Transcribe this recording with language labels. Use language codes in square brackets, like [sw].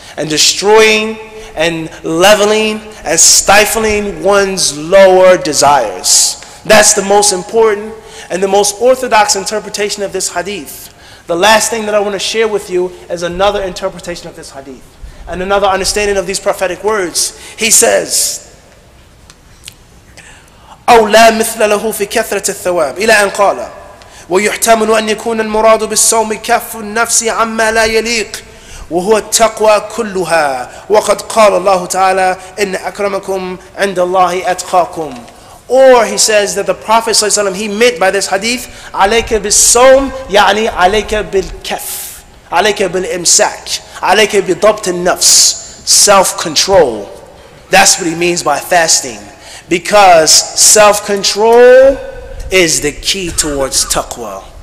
[en] And destroying and leveling and stifling one's lower desires. That's the most important and the most orthodox interpretation of this hadith. The last thing that I want to share with you is another interpretation of this hadith and another understanding of these prophetic words. He says, [ar] أو لا مثل له في كثرة الثواب إلى أن قال ويحتمل أن يكون المراد بالصوم كف النفس عما لا يليق وهو التقوى كلها وقد قال الله تعالى إن أكرمكم عند الله أتقاكم. [en] Or he says that the Prophet ﷺ, he meant by this hadith, [ar] عَلَيْكَ بِالصَّوْمِ يَعْنِي عَلَيْكَ بِالْكَفِ عَلَيْكَ بِالْإِمْسَاكِ عَلَيْكَ بِضَبْتِ النَّفْسِ [en] Self-control. That's what he means by fasting. Because self-control is the key towards taqwa.